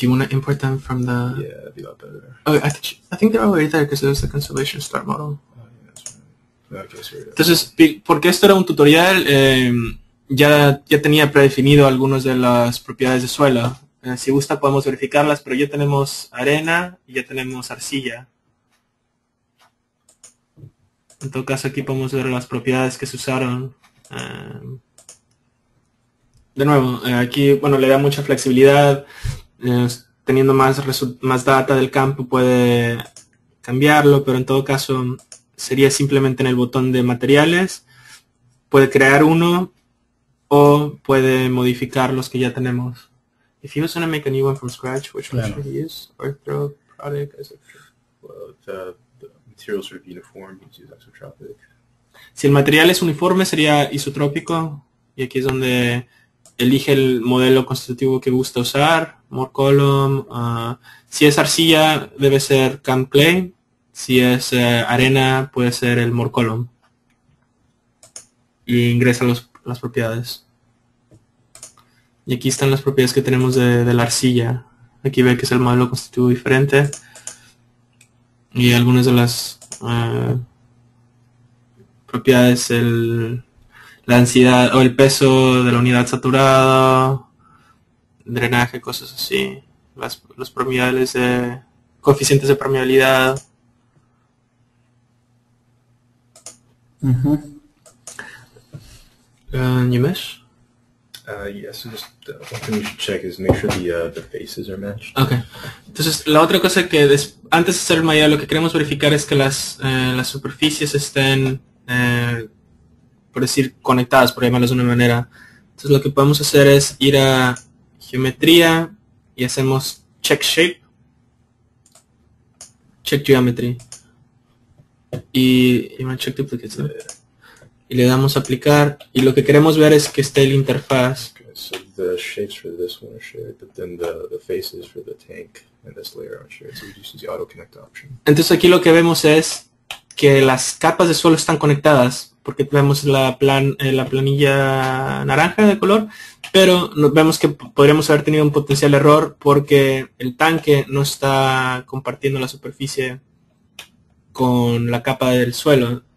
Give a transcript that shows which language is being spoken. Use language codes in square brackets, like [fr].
[en] Do you want to import them from the... Yeah, that'd be a lot better. Oh, I think they're already there because it was the constellation start model. Oh, yeah, that's right. Okay, so yeah. [es] Entonces, porque esto era un tutorial, ya tenía predefinido algunas de las propiedades de suelo. Si gusta, podemos verificarlas, pero ya tenemos arena y ya tenemos arcilla. En todo caso, aquí podemos ver las propiedades que se usaron. De nuevo, aquí bueno, le da mucha flexibilidad, teniendo más data del campo puede cambiarlo, pero en todo caso sería simplemente en el botón de materiales, puede crear uno o puede modificar los que ya tenemos. [en] If he was going to make a new one from scratch, which one should he use? Orthotropic, isotropic? Well, if the materials are uniform, he'd use isotropic. [es] Si el material es uniforme sería isotrópico, y aquí es donde elige el modelo constitutivo que gusta usar, more column. Si es arcilla debe ser camp clay, si es arena puede ser el more column. Y ingresa las propiedades. Y aquí están las propiedades que tenemos de la arcilla. Aquí ve que es el modelo constitutivo diferente. Y algunas de las... propiedades, la densidad o el peso de la unidad saturada, drenaje, cosas así. los permeables de coeficientes de permeabilidad. [en] Yumesh? Yes, just one thing you should check is make sure the faces are matched. Okay. [es] Entonces, la otra cosa que antes de hacer el malla, lo que queremos verificar es que las superficies estén, por decir, conectadas, por llamarlas de una manera. Entonces, lo que podemos hacer es ir a geometría y hacemos check shape, check geometry, y check duplicates. ¿No? Y le damos a aplicar, y lo que queremos ver es que esté la interfaz. [en] Okay, so the shapes for this one are shared, but then the faces for the tank and this layer are shared, so we just use the auto connect option. [es] Entonces aquí lo que vemos es que las capas de suelo están conectadas, porque vemos la planilla naranja de color, pero vemos que podríamos haber tenido un potencial error porque el tanque no está compartiendo la superficie con la capa del suelo.